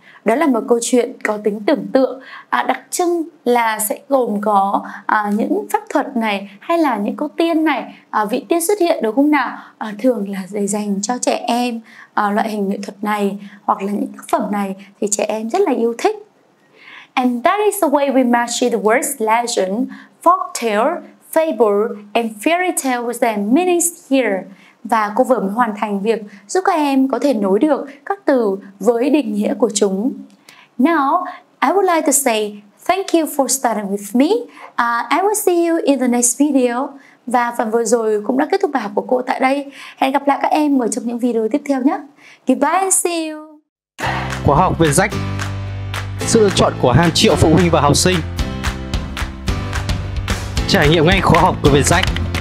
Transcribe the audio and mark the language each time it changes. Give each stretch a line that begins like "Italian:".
Vietnamese: Đó là một câu chuyện có tính tưởng tượng, đặc trưng là sẽ gồm có những phép thuật này hay là những cô tiên này, vị tiên xuất hiện đúng không nào? Thường là dành cho trẻ em, loại hình nghệ thuật này hoặc là những tác phẩm này thì trẻ em rất là yêu thích.
English: And that is the way we match the words legend, folktale, fable and fairy tale with their meanings here.
Vietnamese: Và cô vừa mới hoàn thành việc giúp các em có thể nối được các từ với định nghĩa của chúng.
English: Now, I would like to say thank you for studying with me. I will see you in the next video.
Vietnamese: Và phần vừa rồi cũng đã kết thúc bài học của cô tại đây. Hẹn gặp lại các em ở trong những video tiếp theo nhé.
English: Goodbye and see you.
Vietnamese: Khóa học Việt Rách, sự lựa chọn của hàng triệu phụ huynh và học sinh. Trải nghiệm ngay khóa học của Việt Rách.